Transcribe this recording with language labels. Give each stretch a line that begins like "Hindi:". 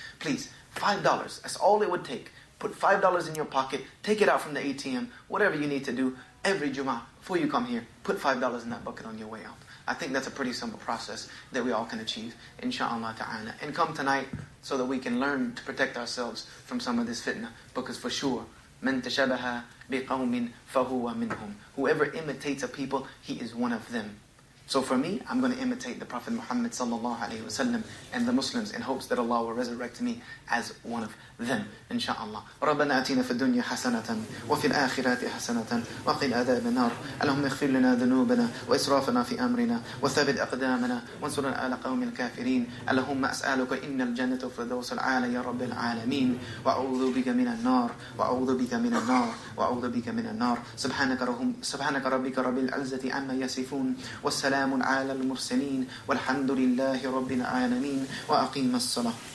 English: Please, $5. That's all it would take. Put $5 in your pocket. Take it out from the ATM. Whatever you need to do every Jummah before you come here. Put $5 in that bucket on your way out. I think that's a pretty simple process that we all can achieve, inshallah ta'ala. And come tonight so that we can learn to protect ourselves from some of this fitna. Because for sure,
Arabic: من تشبه بقوم فهو منهم.
English: Whoever imitates a people, he is one of them. So for me, I'm going to imitate the Prophet Muhammad sallallahu alaihi wasallam and the Muslims in hopes that Allah will resurrect me as one of them, inshaAllah.
Arabic: رَبَّنَا أَتِينَا فِي الدُّنْيَا حَسَنَةً وَفِي الْآخِرَةِ حَسَنَةً وَقِنَا عَذَابَ النَّارِ اللهم اغفر لنا ذنوبنا وإسرافنا في أمرنا وثبت أقدامنا وانصرنا على قوم الكافرين اللهم أسألك إن الجنة فردوس العالى يا رب العالمين وأعوذ بك من النار وأعوذ بك من النار وأعوذ بك من النار سبحانك ربك رب العزة عما يصفون سلام على المرسلين والحمد لله رب العالمين وأقيم الصلاة.